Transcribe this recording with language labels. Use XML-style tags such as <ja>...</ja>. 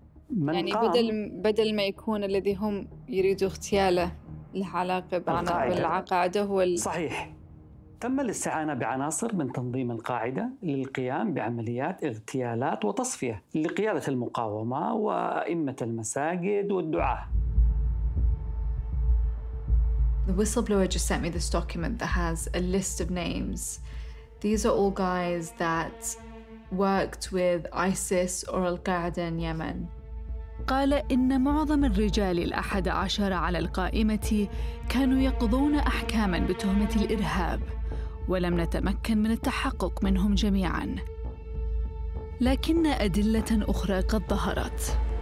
<ar>من يعني بدل ما يكون الذي هم يريدوا اغتياله له علاقة بالقاعدة هو صحيح. تم الاستعانة بعناصر من تنظيم القاعدة للقيام بعمليات اغتيالات وتصفية لقيادة المقاومة وأئمة المساجد والدعاة.</ar> <en>The whistleblower just sent me this document that has a list of names. These are all guys that worked with ISIS or Al-Qaeda in Yemen.</en> <ar>قال إن معظم الرجال الأحد عشر على القائمة كانوا يقضون أحكاماً بتهمة الإرهاب، ولم نتمكن من التحقق منهم جميعاً. لكن أدلة أخرى قد ظهرت.</ar>